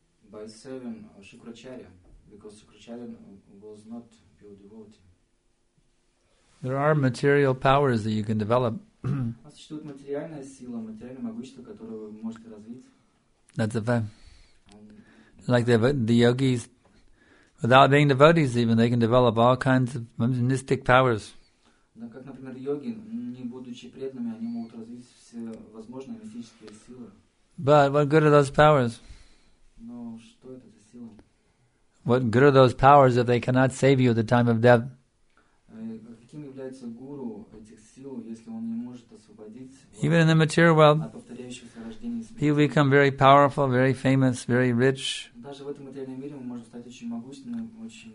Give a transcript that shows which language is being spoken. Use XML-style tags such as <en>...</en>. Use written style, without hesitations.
<en>By serving Shukracharya, because Shukracharya was not pure devotee. There are material powers that you can develop.</en> <ru>Существует материальная сила, материальное могущество, которое вы можете развить.</ru> <en>That's a fact. Like the yogis, without being devotees even, they can develop all kinds of mystic powers.</en> <ru>Как, например, йоги, не будучи преданными, они могут развить все возможные мистические силы.</ru> <en>But what good are those powers?</en> <ru>Но что это за сила?</ru> <en>What good are those powers if they cannot save you at the time of death?</en> <ru>Каким является гуру этих сил, если он не может освободить?</ru> <en>Even in the material world, people become very powerful, very famous, very rich.</en> <ru>Даже в этом материальном мире мы можем стать очень могущественными, очень.</ru>